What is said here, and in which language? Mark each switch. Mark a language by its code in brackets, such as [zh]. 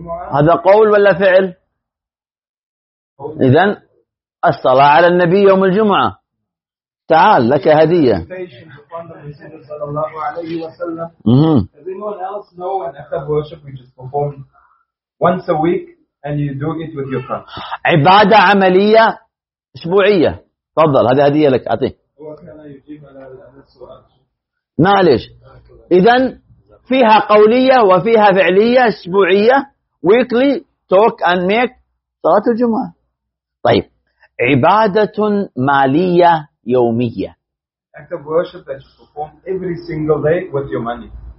[ar] هذا قول ولا فعل؟ إذن الصلاة على النبي يوم الجمعة. تعال لك هدية. [en] Does anyone else know an act of worship which is performed once a week? And you do it with your tongue. [ar] عبادة عملية أسبوعية. تفضل هذه هدية لك أعطيه. معليش. إذن فيها قولية وفيها فعلية أسبوعية. [en] Weekly talk and make صلاة الجمعة. [ar] طيب عبادة مالية يومية. [en] Act of worship that you perform every single day with your money.